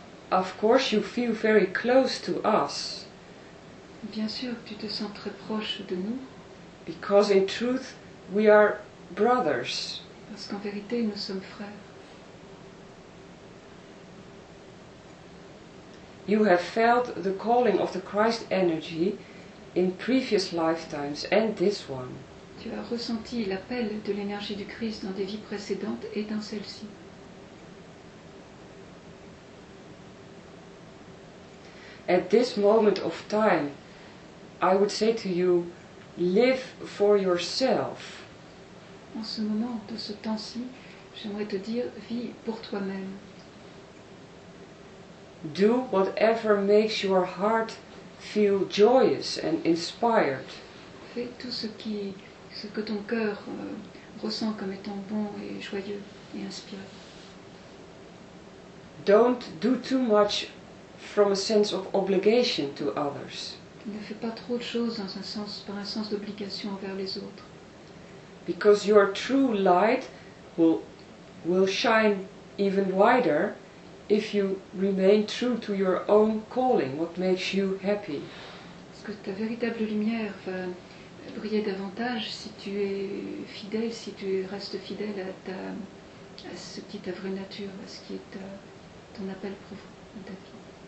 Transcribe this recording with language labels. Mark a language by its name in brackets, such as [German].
[English] Of course, you feel very close to us. [French] Bien sûr, tu te sens très proche de nous. [English] Because in truth, we are brothers. [French] Parce qu'en vérité, nous sommes frères. [English] You have felt the calling of the Christ energy in previous lifetimes and this one. [French] Tu as ressenti l'appel de l'énergie du Christ dans des vies précédentes et dans celle-ci. [English] At this moment of time, I would say to you, live for yourself. [French] En ce moment, de ce temps-ci, j'aimerais te dire, vis pour toi-même. [English] Do whatever makes your heart feel joyous and inspired. [French] Fais tout ce que ton cœur ressent comme étant bon et joyeux et inspiré. [English] Don't do too much from a sense of obligation to others. [French] Ne fais pas trop de choses dans un sens, par un sens d'obligation envers les autres. [English] Because your true light will shine even wider if you remain true to your own calling, what makes you happy. [French] Parce que ta véritable lumière va briller davantage si tu es fidèle, si tu restes fidèle à ce qui est ta vraie nature, à ce qui est ton appel profond à ta vie.